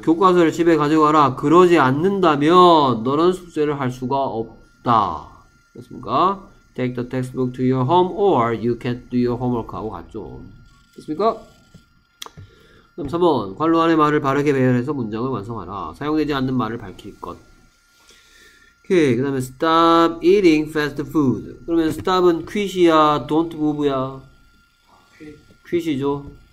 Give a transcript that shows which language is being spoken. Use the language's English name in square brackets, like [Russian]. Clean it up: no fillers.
[Korean] 교과서를 집에 가져가라. 그러지 않는다면, 너는 숙제를 할 수가 없다. 됐습니까? [English] Take the textbook to your home or you can't do your homework [Korean] 하고 갔죠. 됐습니까? 그럼 3번 관로안의 말을 바르게 배열해서 문장을 완성하라. 사용되지 않는 말을 밝힐 것. 오케이. 그 다음에 [English] stop eating fast food. [Korean] 그러면 stop은 quit이야 don't move야? quit이죠.